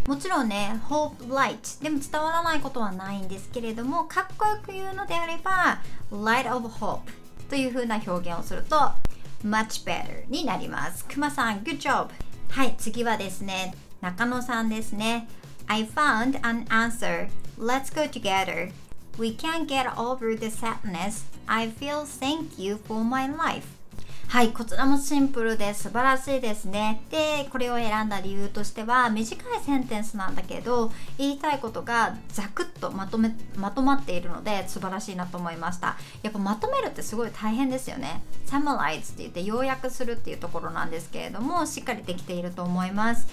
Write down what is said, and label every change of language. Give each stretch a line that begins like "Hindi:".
Japanese: もちろんね Hope light でも伝わらないことはないんですけれども、かっこよく言うのであれば
English: Light of hope
Japanese: というふうな表現をすると
English: Much better
Japanese: になります。
English: くまさん Good job。
Japanese: はい、次はですね中野さんですね。
English: I found an answer. Let's go togetherWe can get over the sadness. I feel thank you for my life.
Japanese: はい、こちらもシンプルで素晴らしいですね。で、これを選んだ理由としては短いセンテンスなんだけど、言いたいことがザクッとまとまっているので素晴らしいなと思いました。やっぱまとめるってすごい大変ですよね。Summarize って言って要約するっていうところなんですけれども、しっかりできていると思います。